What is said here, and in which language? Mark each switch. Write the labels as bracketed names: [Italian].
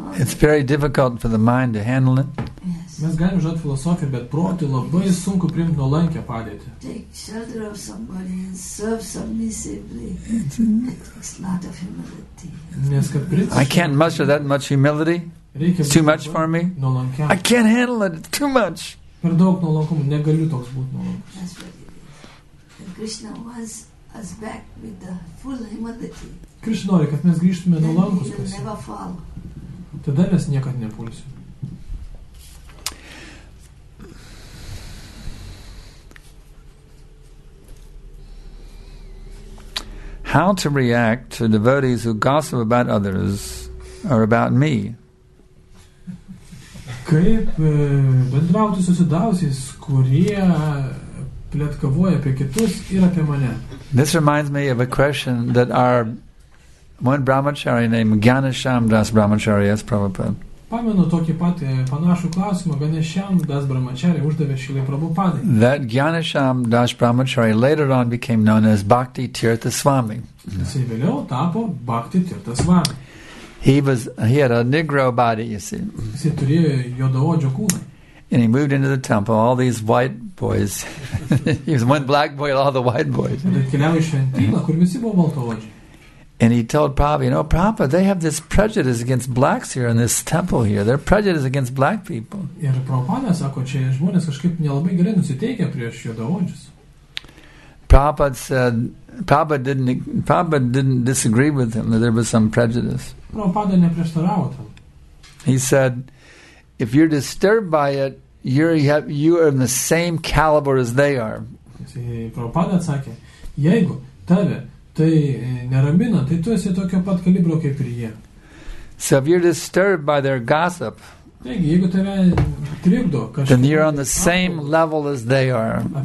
[English] It's very difficult for the mind to handle it. [Lithuanian] Mes galime žodžiu filosofiją, bet protui labai sunku priimti nuolankę padėtį. [English] Take shelter of somebody and serve submissively. It's a lot of humility. I can't muster that much humility. It's too much for me. I can't handle it. It's too much. [Lithuanian] Per daug nuolankumų. Negaliu toks būti nuolankus. [English] That's what it is. Krishna wants us back with the full humility. [Lithuanian] Krishna nori, kad mes grįžtume nuolankus. [English] Then we'll never fall. [Lithuanian] Tada mes niekad nepulsim. [English] How to react to devotees who gossip about others or about me? [Lithuanian] Kaip bendrauti su sudausiais, kurie pletkavoja apie kitus ir apie mane? [English] This reminds me of a question that one brahmachari named Ganesham Das Brahmachari asked Prabhupada. [Lithuanian] Pamenu tokį patį panašų klausimą, Ganesham Das Brahmachari uždavė Šilai Prabhupadai. [English] That Ganesham Das Brahmachari later on became known as Bhakti Tirtha Swami. [Lithuanian] Jisai vėliau tapo Bhakti Tirtha Swami. [English] He had a negro body, you see. [Lithuanian] Jisai turėjo juodaodžio kūną. [English] And he moved into the temple, all these white boys. He was one black boy and all the white boys. [Lithuanian] Bet keliavo į šventyklą, kur visi buvo baltaodžiai. [English] And he told Prabhupada, you know, Prabhupada, they have this prejudice against blacks here in this temple here. They're prejudice against black people. [Lithuanian] Ir Prabhupada sako, čia žmonės kažkaip nelabai gerai nusiteikia prieš juodaodžius. [English] Prabhupada didn't disagree with him that there was some prejudice. [Lithuanian] Prabhupada neprieštaravo tam. [English] He said, if you're disturbed by it, you are in the same caliber as they are. [Lithuanian] Prabhupada sakė, jeigu tave tai neramina, tai tu esi tokio pat kalibro kaip ir jie. [English] So if you're disturbed by their gossip, then you're on the same level as they are.